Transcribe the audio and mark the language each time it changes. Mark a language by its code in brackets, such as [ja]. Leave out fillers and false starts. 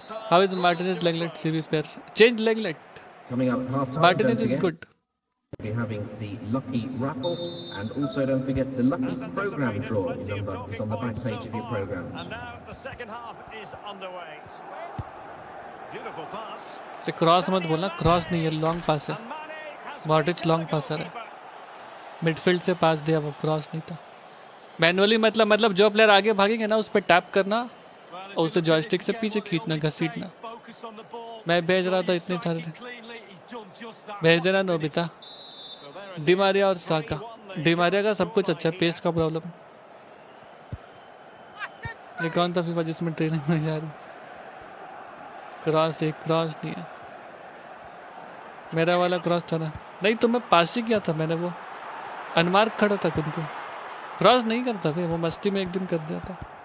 [en] How is Martinez Lenglet CB pair, change Lenglet, Martinez is good. We're having the lucky raffle, and also don't forget the lucky program draw number is on the back page of your program. And now the second half is underway. Beautiful pass. It's a cross, [hi] मत बोलना, cross नहीं है, long pass है. Modric long passer है. Midfield से pass दिया वो, cross नहीं था. Manually मतलब जो player आगे भागेंगे ना उस पर tap करना और उसे joystick से पीछे खींचना, घसीटना. मैं भेज रहा था इतने सारे. भेज देना नोबिता. डिमारिया और साका, डिमारिया का सब कुछ अच्छा, पेस का प्रॉब्लम, ये कौन सा फीफा जिसमें ट्रेनिंग में जा रही, क्रॉस एक क्रॉस नहीं है, मेरा वाला क्रॉस था ना, नहीं तो मैं पास ही किया था मैंने, वो अनमार्क खड़ा था, किंतु क्रॉस नहीं करता फिर, वो मस्ती में एक दिन कर दिया था।